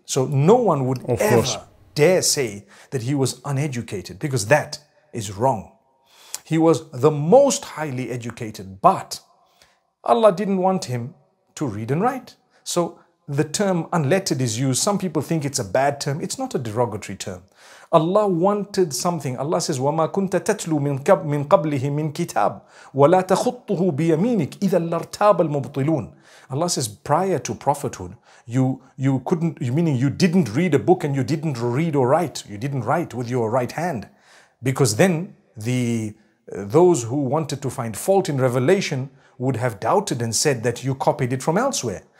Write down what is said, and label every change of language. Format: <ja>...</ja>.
<en>So no one would dare say that he was uneducated, because that is wrong. He was the most highly educated, but Allah didn't want him to read and write. So the term unlettered is used. Some people think it's a bad term. It's not a derogatory term. Allah wanted something. Allah says,</en> <ar>وَمَا كُنْتَ تَتْلُو مِنْ قَبْلِهِ مِنْ كِتَابٍ وَلَا تَخُطُّهُ بِيَمِينِكَ إِذَا لَرْتَابَ الْمُبْطِلُونَ.</ar> <en>Allah says, prior to prophethood, you didn't read a book, and you didn't read or write. You didn't write with your right hand, because then those who wanted to find fault in revelation would have doubted and said that you copied it from elsewhere.</en>